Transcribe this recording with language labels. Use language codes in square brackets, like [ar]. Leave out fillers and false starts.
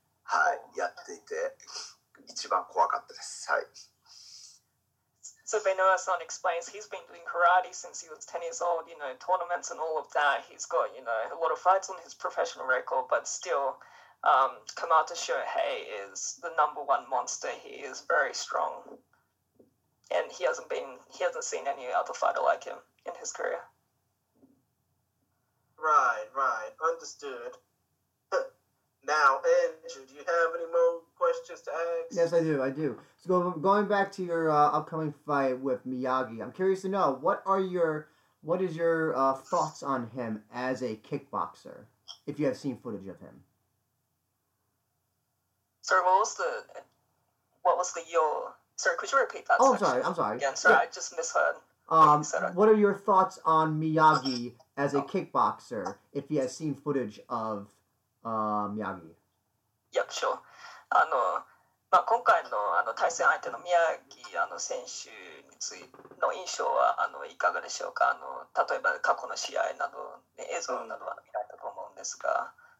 [ja] はい、やっていて一番怖かったです。はい。 [en] So Benoit-san explains he's been doing karate since he was 10 years old, you know, tournaments and all of that. He's got, you know, a lot of fights on his professional record, but still, Kamata Shohei is the number one monster. He is very strong. And he hasn't seen any other fighter like him in his career. Right. Understood. Now, Andrew, do you have any more questions to ask? Yes, I do. So going back to your upcoming fight with Miyagi, I'm curious to know, what is your thoughts on him as a kickboxer, if you have seen footage of him? Sorry, could you repeat that? I'm sorry. Again, sorry, yeah. I just misheard. What are your thoughts on Miyagi as a kickboxer, if you have seen footage of Miyagi? Yep, sure. [ja] まあ、今回 の, 対戦相手の宮城選手についての印象はいかがでしょうか。例えば過去の試合など、ね、映像などは見られたと思うんですが。